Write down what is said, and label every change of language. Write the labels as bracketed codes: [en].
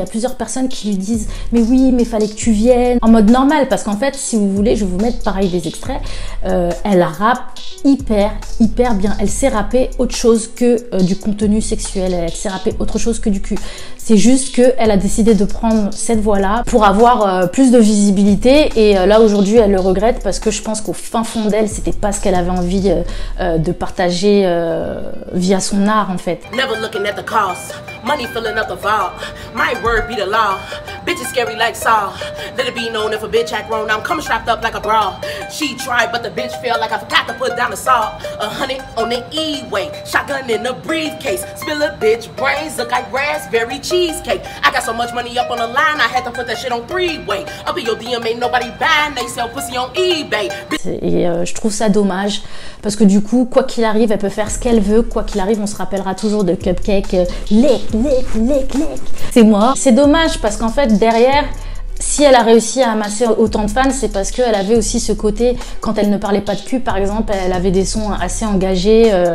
[fr] Il y a plusieurs personnes qui lui disent mais oui mais fallait que tu viennes en mode normal, parce qu'en fait si vous voulez je vais vous mettre pareil des extraits, elle rappe hyper bien, elle sait rapper autre chose que du contenu sexuel, elle sait rapper autre chose que du cul, c'est juste que elle a décidé de prendre cette voie là pour avoir plus de visibilité, et là aujourd'hui elle le regrette parce que je pense qu'au fin fond d'elle c'était pas ce qu'elle avait envie de partager via son art en fait. [en] Never looking at the cost, money filling up the vault, my word be the law, bitch is scary like Saul, let it be known if a bitch act wrong I'm coming strapped up like a bra, she tried but the bitch feel like I forgot to put down the saw, 100 on the e-way, shotgun in a briefcase, spill a bitch brains look like raspberry cheesecake, I got so much money up on the line I had to put that shit on three-way, up in your DM ain't nobody buying, they sell pussy on eBay. [fr] Et je trouve ça dommage parce que du coup quoi qu'il arrive elle peut faire ce qu'elle veut, quoi qu'il arrive on se rappellera toujours de Cupcake, lick, c'est moi. C'est dommage parce qu'en fait derrière, si elle a réussi à amasser autant de fans, c'est parce qu'elle avait aussi ce côté, quand elle ne parlait pas de cul, par exemple, elle avait des sons assez engagés.